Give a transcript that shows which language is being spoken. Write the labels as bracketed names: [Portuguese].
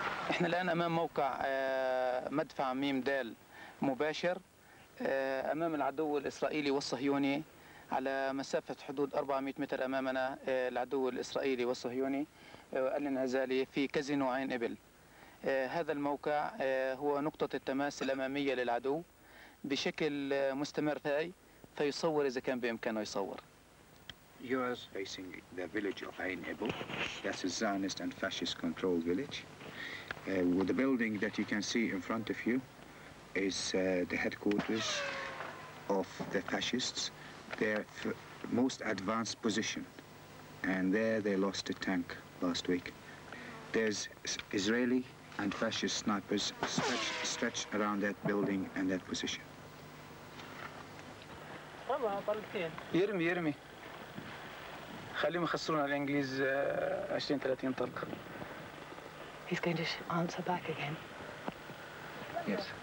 [Arabic] احنا الان امام موقع مدفع ميم دال مباشر امام العدو الاسرائيلي والصهيوني على مسافه حدود 400 متر امامنا العدو الاسرائيلي والصهيوني الانعزالي في كازينو عين ابل هذا الموقع هو نقطه التماس الاماميه للعدو بشكل مستمر فاي فيصور اذا كان بامكانه يصور [English] You are facing the village of Ain Ebel. That's a Zionist and fascist controlled village. With the building that you can see in front of you is the headquarters of the fascists their most advanced position, and there they lost a tank last week. There's Israeli and fascist snipers stretched around that building and that position. [Arabic] يرمي خليهم يخسرون على الانجليز 20 30 طلقه. [English] He's going to answer back again. Yes.